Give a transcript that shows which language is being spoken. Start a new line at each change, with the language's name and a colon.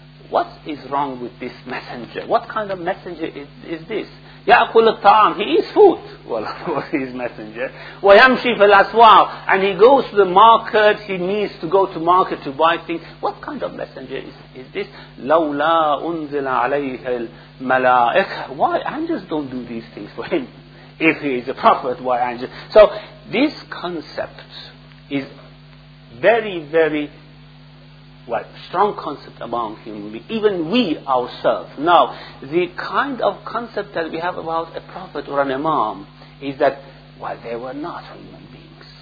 English: What is wrong with this messenger? What kind of messenger is this?
Arabic: يأكل الطعام.
English: He eats food. Well, of course, he's messenger.
Arabic: ويمشي في الأسواق.
English: And he goes to the market. He needs to go to market to buy things. What kind of messenger is this?
Arabic: لولا أنزل عليه الملائكة.
English: Why angels don't do these things for him? If he is a prophet, why angels? So this concept is very, very, well, strong concept among human beings, even we ourselves. Now, the kind of concept that we have about a prophet or an imam is that, well, they were not human beings.